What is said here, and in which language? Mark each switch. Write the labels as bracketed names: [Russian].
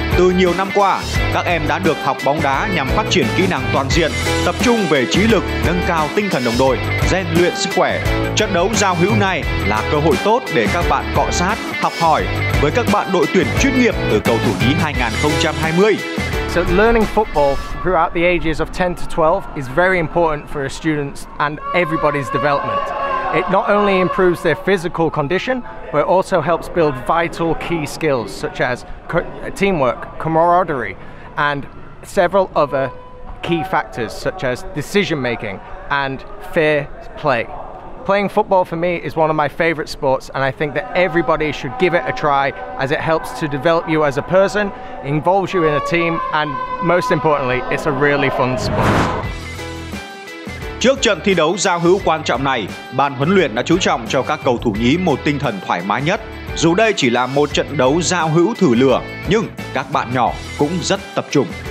[Vietnamese] Từ nhiều năm qua, các em đã được học bóng đá nhằm phát triển kỹ năng toàn diện, tập trung về trí lực, nâng cao tinh thần đồng đội, rèn luyện sức khỏe. Trận đấu giao hữu này là cơ hội tốt để các bạn cọ sát, học hỏi với các bạn đội tuyển chuyên nghiệp từ cầu thủ nhí 2020. [English] So learning football throughout the ages of 10 to 12 is very important for a student's and everybody's development. It not only improves their physical condition, but it also helps build vital key skills such as teamwork, camaraderie, and several other key factors such as decision making and fair play. Playing football for me is one of my favorite sports, and I think that everybody should give it a try as it helps to develop you as a person, involves you in a team, and most importantly, it's a really fun sport. [Vietnamese] Trước trận thi đấu giao hữu quan trọng này, ban huấn luyện đã chú trọng cho các cầu thủ nhí một tinh thần thoải mái nhất. Dù đây chỉ là một trận đấu giao hữu thử lửa, nhưng các bạn nhỏ cũng rất tập trung.